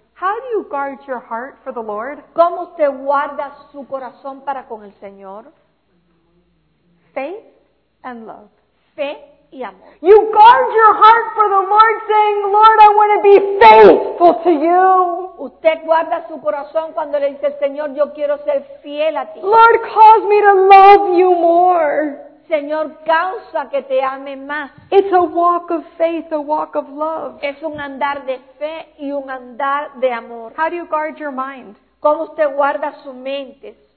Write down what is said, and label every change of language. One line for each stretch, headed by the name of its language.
English: How do you guard your heart for the Lord?
Spanish: ¿Cómo usted guarda su corazón para con el Señor?
English: Faith and love.
Spanish: Fe y amor.
English: You guard your heart for the Lord saying, Lord, I want to be faithful to you.
Spanish: Usted guarda su corazón cuando le dice, Señor, yo quiero ser fiel a ti.
English: Lord, cause me to love you more.
Spanish: Señor, causa que te ame más.
English: It's a walk of faith, a walk of love.
Spanish: Es un andar de fe y un andar de amor.
English: How do you guard your mind?
Spanish: ¿Cómo usted guarda su mente?